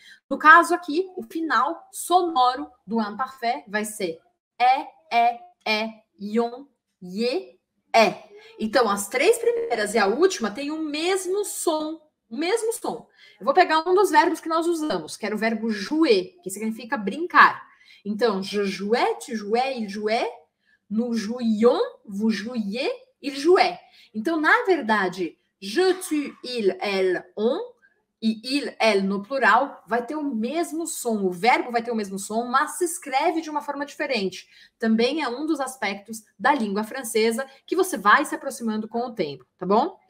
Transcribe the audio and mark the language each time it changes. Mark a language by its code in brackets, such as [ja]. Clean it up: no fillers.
[pt] No caso aqui, o final sonoro do imparfait vai ser é, yon, ye, é. Então, as três primeiras e a última têm o mesmo som. O mesmo som. Eu vou pegar um dos verbos que nós usamos, que era o verbo jouer, que significa brincar. [fr] Então, je jouais, tu jouais, il jouait, nous jouions, vous jouiez, il jouait. [pt] Então, na verdade, je, tu, il, elle, on e il, elle no plural vai ter o mesmo som. O verbo vai ter o mesmo som, mas se escreve de uma forma diferente. Também é um dos aspectos da língua francesa que você vai se aproximando com o tempo, tá bom?